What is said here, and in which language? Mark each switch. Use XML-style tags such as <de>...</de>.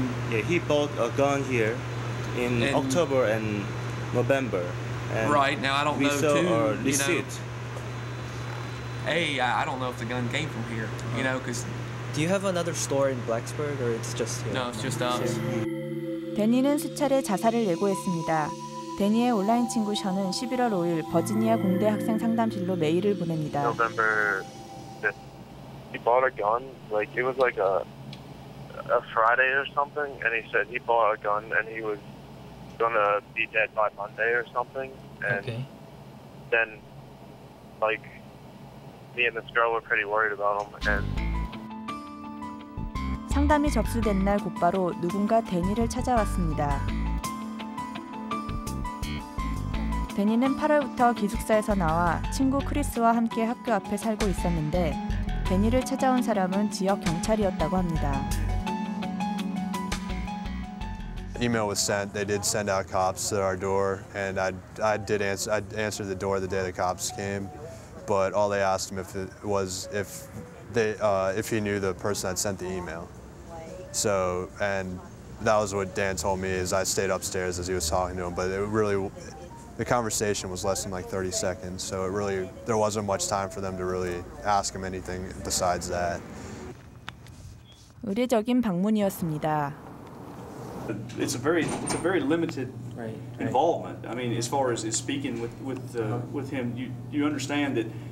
<en>Yeah, he bought a gun here in October and November. And right, now I don't know too, you know. Hey, I don't know if the gun came from here, you know, because... Do you have another store in Blacksburg or it's just here? No, it's just us.</en> <ko>데니는 수차례 자살을 예고했습니다. 데니의 온라인 친구 션은 11월 5일 버지니아 공대 학생 상담실로 메일을 보냅니다.</ko> <en>November, he bought a gun. Like, it was like a Friday or something. And he said he bought a gun and he was gonna be dead by Monday or something. And okay. then, like, me and this girl were pretty worried about him. And</en> <ko>상담이 접수된 날 곧바로 누군가 데니를 찾아왔습니다. 데니는 8월부터 기숙사에서 나와 친구 크리스와 함께 학교 앞에 살고 있었는데 데니를 찾아온 사람은 지역 경찰이었다고 합니다.</ko> <en>Email was sent. They did send out cops to our door and I answered the door the day the cops came. But all they asked him if it was if he knew the person that sent the email. So, and that was what Dan told me as I stayed upstairs as he was talking to him. But it really, the conversation was less than like 30 seconds. So it really, there wasn't much time for them to really ask him anything besides that.</en> <ko>의례적인 방문이었습니다.</ko> <en>It's a very limited right. involvement. I mean, as far as speaking with him, you understand that.</en>